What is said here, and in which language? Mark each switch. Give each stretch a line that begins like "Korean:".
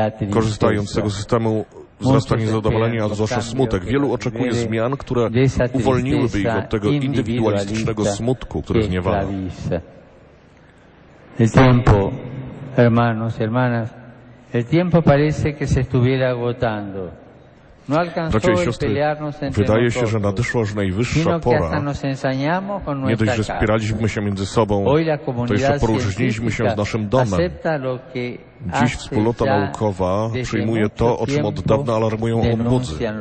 Polish: Korzystając z tego systemu wzrasta niezadowolenie, a zwłaszcza smutek. Wielu oczekuje zmian, które uwolniłyby ich od tego indywidualistycznego smutku, który zniewala.
Spanish: El tiempo, hermanos, hermanas, el tiempo parece que se estuviera agotando.
Polish: Bracia i siostry, wydaje się, że nadeszła już najwyższa pora. Nie dość, że spieraliśmy się między sobą, to jeszcze poróżniliśmy się z naszym domem. Dziś wspólnota naukowa przyjmuje to, o czym od dawna alarmują ombudzy.